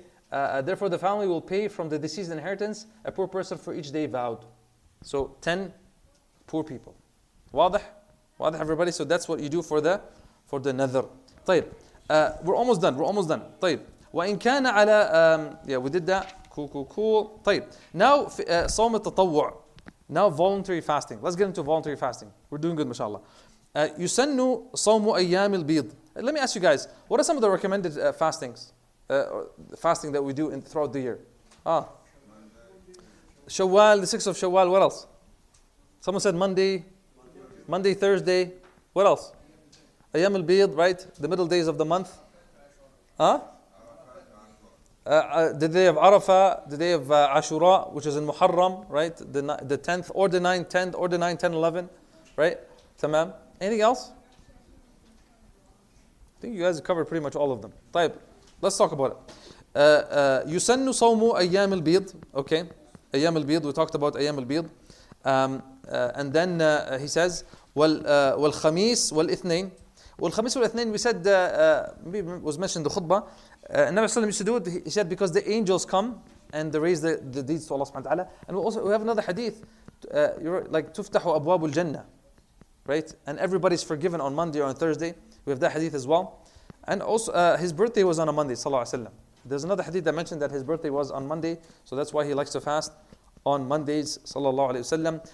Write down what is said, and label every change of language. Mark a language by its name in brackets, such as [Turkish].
[English] Therefore, the family will pay from the deceased inheritance a poor person for each day vowed. So 10 poor people. واضح? واضح, everybody? So that's what you do for the nadhr. طيب. We're almost done. طيب. [Arabic] وإن كان على [English] we did that. Cool. طيب. [Arabic] Now صوم التطوع. [English] Now voluntary fasting. Let's get into voluntary fasting. We're doing good, mashallah. [Arabic] يسن صوم أيام البيض. [English] Let me ask you guys, what are some of the recommended fastings? Fasting that we do throughout the year? Shawwal, the 6th of Shawwal, what else? Someone said Monday, Thursday, what else? Ayyam al-Bid, right? The middle days of the month. The day of Arafah, the day of Ashura, which is in Muharram, right? The 10th or the 9th, 10th or the 9th, 10th, 11th, right? Tamam. Anything else? I think you guys covered pretty much all of them. طيب, let's talk about it. [Arabic] يسن صوم أيام البيض. Okay. أيام البيض. [English] We talked about أيام البيض. And then he says, [Arabic] والخميس والإثنين. والخميس والإثنين, [English] we said, maybe was mentioned the khutbah. [Arabic] النبي صلى الله عليه وسلم, [English] he said, because the angels come and they raise the deeds to Allah subhanahu wa ta'ala. And we have another hadith. [Arabic] Like, تفتح أبواب الجنة. [English] Right? And everybody's forgiven on Monday or on Thursday. We have that hadith as well. And also, his birthday was on a Monday, sallallahu alayhi wa sallam. There's another hadith that mentioned that his birthday was on Monday. So that's why he likes to fast on Mondays, sallallahu alayhi wa sallam.